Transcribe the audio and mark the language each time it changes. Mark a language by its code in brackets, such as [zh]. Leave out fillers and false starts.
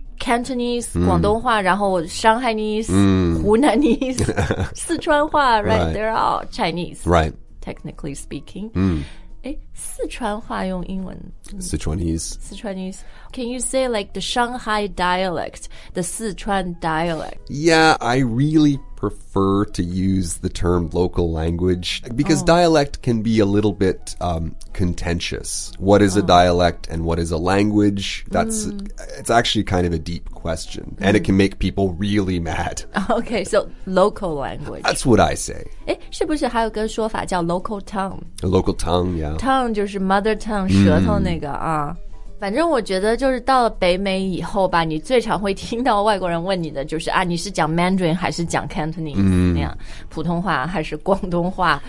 [zh] Cantonese,、广东话然后 Shanghainese,、湖南-ese, 四川话 right? [en] right, they're all Chinese. Right. Technically speaking.、 [zh] 四川话用英文。 [en] Sichuanese. Can you say like the Shanghai dialect, the Sichuan dialect? Yeah, I really prefer to use the term local language because、dialect can be a little bit、contentious. What is、a dialect and what is a language? That's,、it's actually kind of a deep question、and it can make people really mad. Okay, so local language. That's what I say. [zh] 是不是还有个说法叫 local tongue? [en] A local tongue, yeah. [zh] Tongue 就是 mother tongue,、舌头那个啊。反正我觉得就是到了北美以后吧你最常会听到外国人问你的就是啊你是讲 Mandarin 还是讲 Cantonese、那样普通话还是广东话、